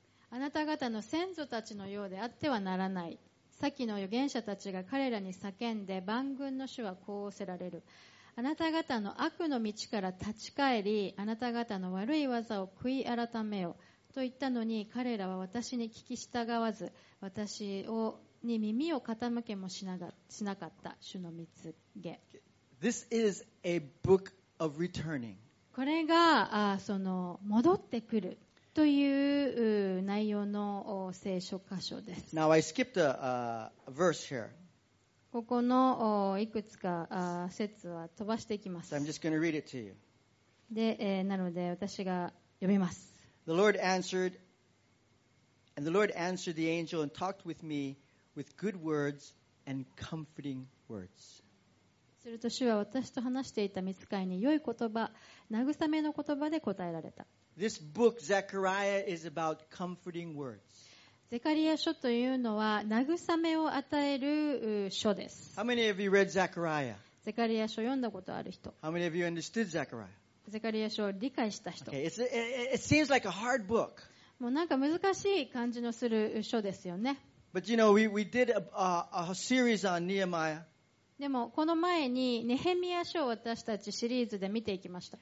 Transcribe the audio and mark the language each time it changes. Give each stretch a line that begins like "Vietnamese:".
Japanese: あなた方の先祖たちのようであってはならない。先の預言者たちが彼らに叫んで、万軍の主はこうおせられる。あなた方の悪の道から立ち返り、あなた方の悪い技を悔い改めよと言ったのに、彼らは私に聞き従わず、私に耳を傾けもしなかった。主の御告げ。
English: This is a book of returning.
Japanese: これがその戻ってくる。という内容の聖書箇所です。
English: Now I skipped a verse here.
Japanese: こここのいくつか節は飛ばしていきます。
English: So、I'm just going to read it to you.
Japanese: で、なので私が読みます。
English: The Lord answered, and the Lord answered the angel and talked with me with good words and comforting words.
Japanese: すると主は私と話していた御使いに良い言葉、慰めの言葉で答えられた。
English: This book, Zechariah, is about comforting words.
Japanese: ゼカリア書というのは慰めを与える書です。
English: How many of you read Zechariah?
Japanese: ゼカリア書を読んだことある人。
English: How many of you understood Zechariah?
Japanese: ゼカリア書を理解した人。
English: Okay, it seems like a hard book.
Japanese: もうなんか難しい感じのする書ですよね。
English: But you know, we did a series on Nehemiah.
Japanese: でもこの前にネヘミヤ書を私たちシリーズで見ていきました。